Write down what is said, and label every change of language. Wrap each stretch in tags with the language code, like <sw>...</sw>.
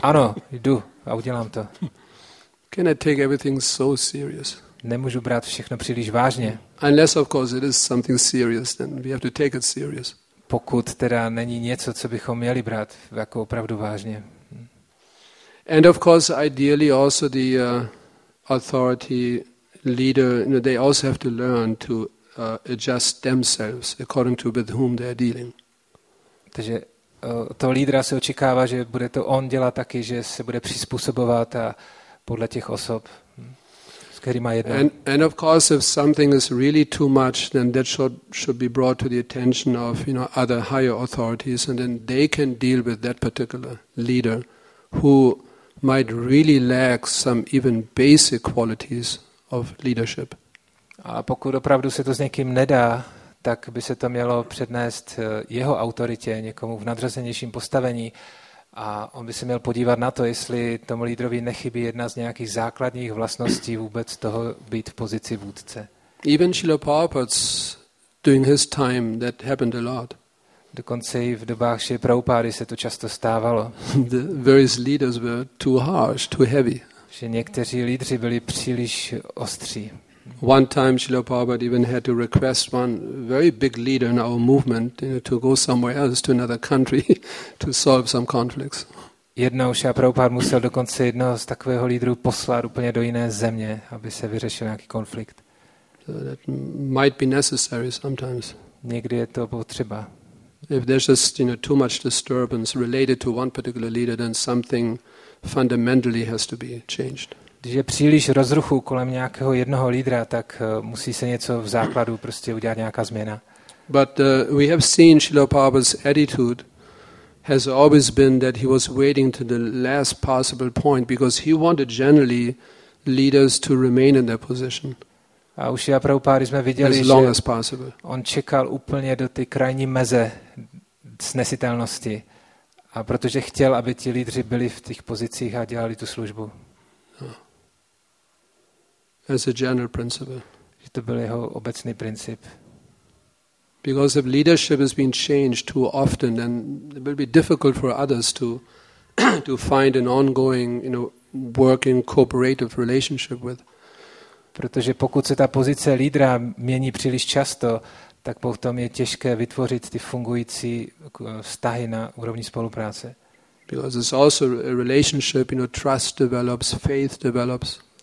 <cs>Ano, jdu a udělám to.</cs> <en>Can I take everything so serious?</en> <cs>Nemůžu brát všechno příliš vážně.</cs> <en>Unless of course it is something serious, then we have to take it serious.</en> <cs>Pokud teda není něco, co bychom měli brát jako opravdu vážně.</cs> <en>And of course ideally also the authority leader, you know, they also have to learn to adjust themselves according to with whom they are dealing.</en> <cs>Takže toho lídra se očekává, že bude to on dělat taky, že se bude přizpůsobovat a podle těch osob, s kterýma jedná.</cs> <en>And of course if something is really too much, then that should be brought to the attention of, you know, other higher authorities, and then they can deal with that particular leader who might really lack some even basic qualities of leadership.</en> <cs>A pokud opravdu se to s někým nedá, tak by se to mělo přednést jeho autoritě, někomu v nadřazenějším postavení, a on by se měl podívat na to, jestli tomu lídrovi nechybí jedna z nějakých základních vlastností vůbec toho být v pozici vůdce.</cs> <en>Even Srila Prabhupada's during his time that happened a lot.</en> <cs>Dokonce i v dobách Srila Prabhupády se to často stávalo.</cs> <en>The various leaders were too harsh, too heavy.</en> <cs>Že někteří lídři byli příliš ostří.</cs> <en>One time Srila Prabhupada even had to request one very big leader in our movement, you know, to go somewhere else to another country to solve some conflicts.</en> <cs>Jednou Srila Prabhupada musel dokonce jednoho z takového lídru poslat úplně do jiné země, aby se vyřešil nějaký konflikt.</cs> <en>So that might be necessary sometimes.</en> <cs>Někdy je to potřeba.</cs> <en>If there's just, you know, too much disturbance related to one particular leader, then something fundamentally has to be changed.</en> <cs>Když je příliš rozruchu kolem nějakého jednoho lídra, tak musí se něco v základu prostě udělat, nějaká změna.</cs> <en>But we have seen Srila Prabhupada's attitude has always been that he was waiting to the last possible point because he wanted generally leaders to remain in their position.</en> <cs>A u Šíla Prabhupády jsme viděli, že on čekal úplně do ty krajní meze snesitelnosti, a protože chtěl, aby ti lídři byli v těch pozicích a dělali tu službu.</cs> <en>As a general principle.</en> <cs>Že to byl jeho obecný princip.</cs> <en>Because if leadership has been changed too often, then it will be difficult for others to find an ongoing, you know, working cooperative relationship with.</en> <cs>Protože pokud se ta pozice lídra mění příliš často, tak potom je těžké vytvořit ty fungující vztahy na úrovni spolupráce.</cs> <en>Because it's also a relationship, you know, trust develops, faith develops.</en>